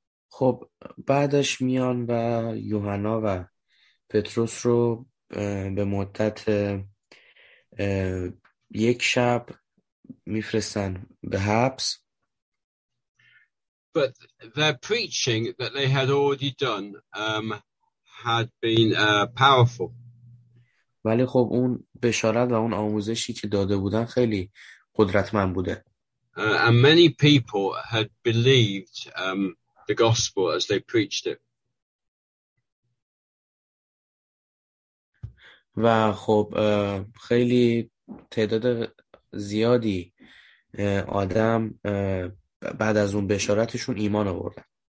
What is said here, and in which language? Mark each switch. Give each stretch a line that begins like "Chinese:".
Persian: خب بعدش میان و یوحنا و پتروس رو به مدت یک شب میفرستن به حبس.
English: But their preaching that they had already done had been powerful.
Persian: ولی خب اون بشارت و اون آموزشی که داده بودن خیلی قدرتمند بوده.
English: And many people had believed the gospel as they preached it.
Persian: و خب خیلی تعداد زیادی آدم بعد از اون بشارتشون ایمان آوردن.